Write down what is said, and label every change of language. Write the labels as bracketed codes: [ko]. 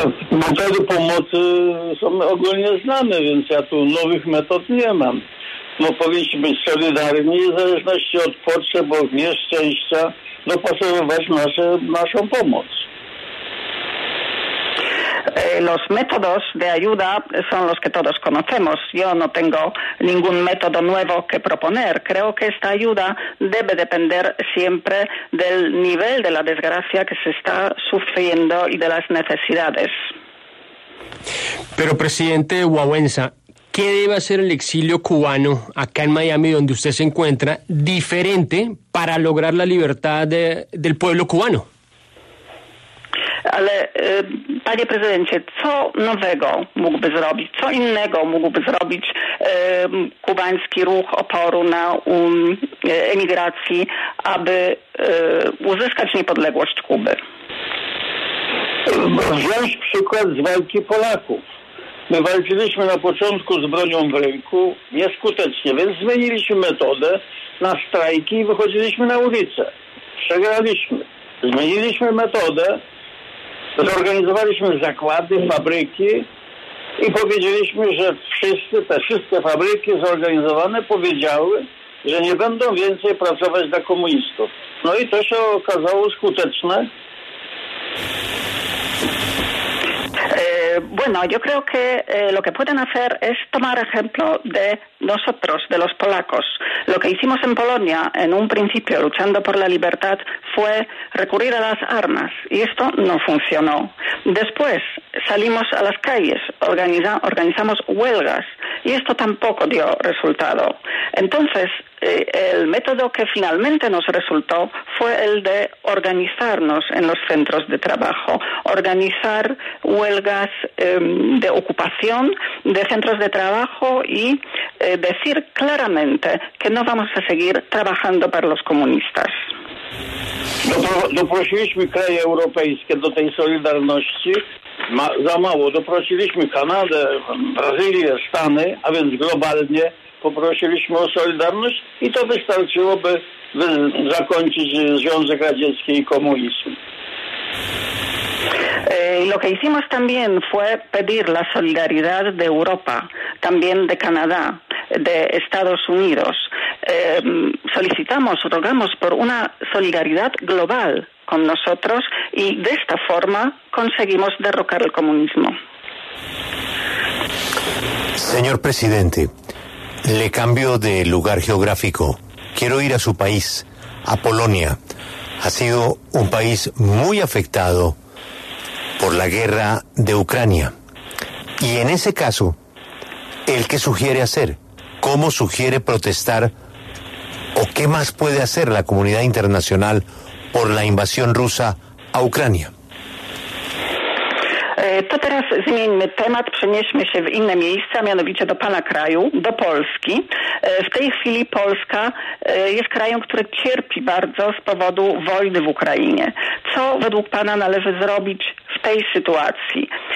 [pl] Metody pomocy są ogólnie znane, więc ja tu nowych metod nie mam. No powinniśmy być solidarni w zależności od potrzeb, od nieszczęścia, dopasowywać naszą pomoc. [es] Los métodos de ayuda son los que todos conocemos. Yo no tengo ningún método nuevo que proponer. Creo que esta ayuda debe depender siempre del nivel de la desgracia que se está sufriendo y de las necesidades. Pero, presidente Wałęsa, ¿qué debe hacer el exilio cubano acá en Miami, donde usted se encuentra, diferente para lograr la libertad del pueblo cubano? [pl] Ale panie prezydencie, co nowego mógłby zrobić, co innego mógłby zrobić kubański ruch oporu na emigracji, aby uzyskać niepodległość Kuby? Wziąć przykład z walki Polaków. My walczyliśmy na początku z bronią w ręku nieskutecznie, więc zmieniliśmy metodę na strajki i wychodziliśmy na ulicę. Przegraliśmy. Zmieniliśmy metodę. Zorganizowaliśmy zakłady, fabryki i powiedzieliśmy, że wszystkie fabryki zorganizowane powiedziały, że nie będą więcej pracować dla komunistów. No i to się okazało skuteczne. [es] Bueno, yo creo que lo que pueden hacer es tomar ejemplo de nosotros, de los polacos. Lo que hicimos en Polonia, en un principio luchando por la libertad, fue recurrir a las armas, y esto no funcionó. Después salimos a las calles, organizamos huelgas, y esto tampoco dio resultado. Entonces, el método que finalmente nos resultó fue el de organizarnos en los centros de trabajo, organizar huelgas de ocupación de centros de trabajo y decir claramente que no vamos a seguir trabajando para los comunistas. [pl] Doprosiliśmy kraje europejskie do tej solidarności, za mało. Doprosiliśmy Kanadę, Brazylię, Stany, a więc globalnie poprosiliśmy o solidarność i to wystarczyłoby zakończyć Związek Radziecki i komunizm. [es] Lo que hicimos también fue pedir la solidaridad de Europa, también de Canadá, de Estados Unidos. Solicitamos, rogamos por una solidaridad global con nosotros y de esta forma conseguimos derrocar el comunismo. Señor presidente, le cambio de lugar geográfico. Quiero ir a su país, a Polonia. Ha sido un país muy afectado por la guerra de Ucrania. Y en ese caso, ¿el qué sugiere hacer? ¿Cómo sugiere protestar? ¿O qué más puede hacer la comunidad internacional por la invasión rusa a Ucrania? [pl] To teraz zmieńmy temat, przenieśmy się w inne miejsce, a mianowicie do pana kraju, do Polski. W tej chwili Polska jest krajem, który cierpi bardzo z powodu wojny w Ukrainie. Co według pana należy zrobić w tej sytuacji?